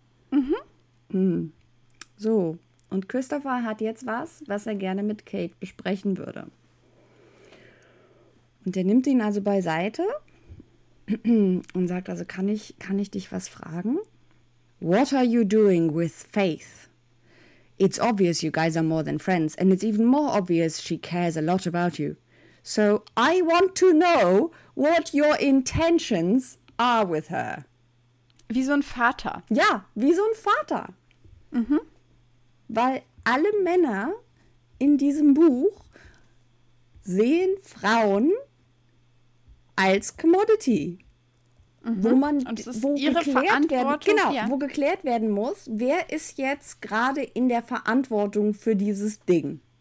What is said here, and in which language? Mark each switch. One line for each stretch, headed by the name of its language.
German: Mhm. So, und Christopher hat jetzt was er gerne mit Kate besprechen würde. Und der nimmt ihn also beiseite und sagt also, kann ich dich was fragen?
English: What are you doing with Faith? It's obvious you guys are more than friends, and it's even more obvious she cares a lot about you. So I want to know what your intentions are with her.
German: Wie so ein Vater. Ja, wie so ein Vater. Mhm. Weil alle Männer in diesem Buch sehen Frauen als Commodity. Mhm. Wo man, und es ist wo ihre geklärt Verantwortung. Werden, genau, ja. Wo geklärt werden muss, wer ist jetzt gerade in der Verantwortung für dieses Ding.